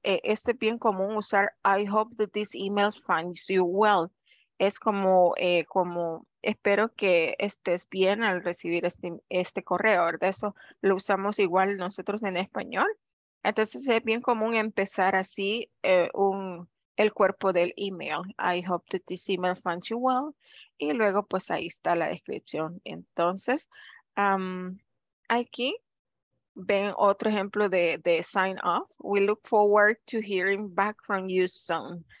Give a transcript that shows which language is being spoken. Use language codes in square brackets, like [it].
[es] Este es bien común usar, [en] I hope that this email finds you well. [es] Es como espero que estés bien al recibir este correo, ¿verdad? Eso lo usamos igual nosotros en español. Entonces es bien común empezar así el cuerpo del email. [en] I hope that this email finds you well. [es] Y luego pues ahí está la descripción. Entonces aquí ven otro ejemplo de sign off. [en] We look forward to hearing back from you soon.